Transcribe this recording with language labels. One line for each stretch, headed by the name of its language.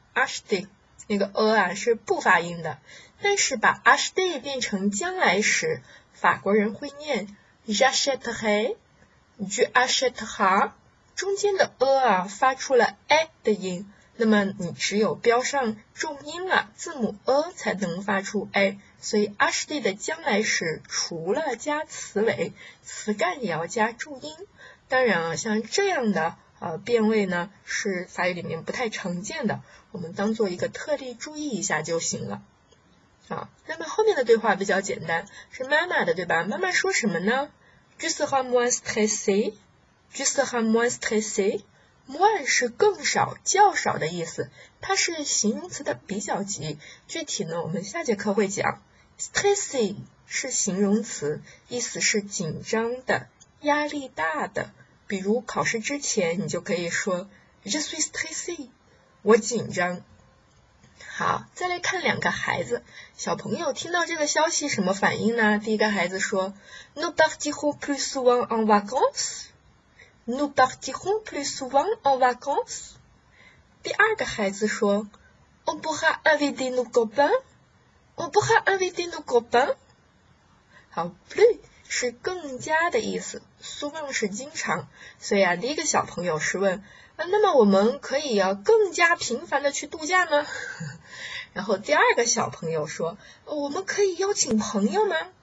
Chinese: acheter 那个 a 啊是不发音的，但是把 acheter 变成将来时，法国人会念
French: j'achèterai, je achèterai,
Chinese: 中间的 a 啊发出了 a 的音，那么你只有标上重音了，字母 a 才能发出 a， 所以 acheter 的将来时除了加词尾，词干也要加重音。当然啊，像这样的变位呢是法语里面不太常见的，我们当做一个特例注意一下就行了。啊，那么后面的对话比较简单，是妈妈的，对吧？妈妈说什么呢？
French: Tu seras moins stressé, tu seras moins stressé,
Chinese: 慢是更少、较少的意思，它是形容词的比较级。具体呢，我们下节课会讲。stressy 是形容词，意思是紧张的、压力大的。比如考试之前，你就可以说
French: Je suis stressé，
Chinese: 我紧张。好，再来看两个孩子，小朋友听到这个消息什么反应呢？第一个孩子说：
French: Nous partirons plus souvent en vacances。 Nous partirons plus souvent en vacances。
Chinese: 第二个孩子说：
French: On pourra inviter nos copains。 On pourra inviter nos copains。
Chinese: 好，plus 是更加的意思，souvent 是经常，所以啊，第一个小朋友是问。那么我们可以要更加频繁的去度假吗？然后第二个小朋友说，我们可以邀请朋友吗？